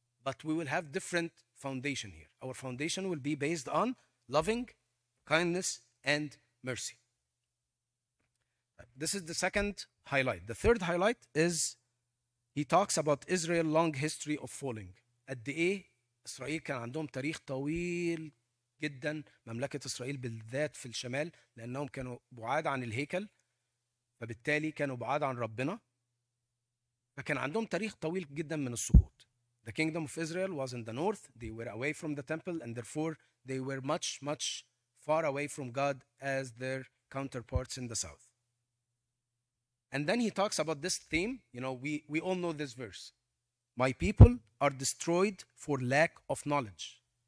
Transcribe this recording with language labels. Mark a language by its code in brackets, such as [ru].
[en] But we will have different foundation here. Our foundation will be based on loving kindness and mercy. This is the second highlight. The third highlight is he talks about Israel's long history of falling. At the A, [ar] Israel كان عندهم تاريخ طويل جدا. مملكة إسرائيل بالذات في الشمال لأنهم كانوا بعاد عن الهيكل فبالتالي كانوا بعاد عن ربنا فكان عندهم تاريخ طويل جدا من السقوط. [en] The kingdom of Israel was in the north. They were away from the temple and therefore they were much much far away from God as their counterparts in the south. And then he talks about this theme. You know, we all know this verse. My people are destroyed for lack of knowledge.